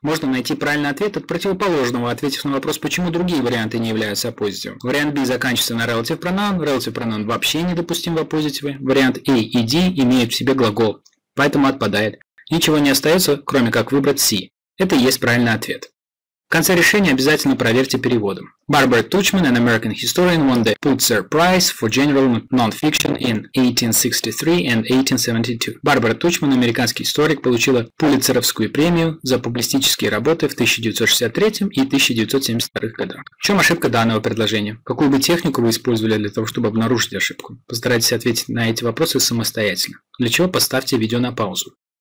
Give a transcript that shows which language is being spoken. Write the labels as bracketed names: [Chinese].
[Russian] Можно найти правильный ответ от противоположного, ответив на вопрос, почему другие варианты не являются оппозитивом. Вариант B заканчивается на relative pronoun. Relative pronoun вообще недопустим в оппозитиве. Вариант A и D имеют в себе глагол, поэтому отпадает. Ничего не остается, кроме как выбрать C. Это и есть правильный ответ. В конце решения обязательно проверьте переводом. [English] Barbara Tuchman, an American historian, won the Pulitzer Prize for general nonfiction in 1863 and 1872. [Russian] Барбара Тучман, американский историк, получила Пулитцеровскую премию за публистические работы в 1963 и 1972 годах. В чем ошибка данного предложения? Какую бы технику вы использовали для того, чтобы обнаружить ошибку? Постарайтесь ответить на эти вопросы самостоятельно. Для чего поставьте видео на паузу.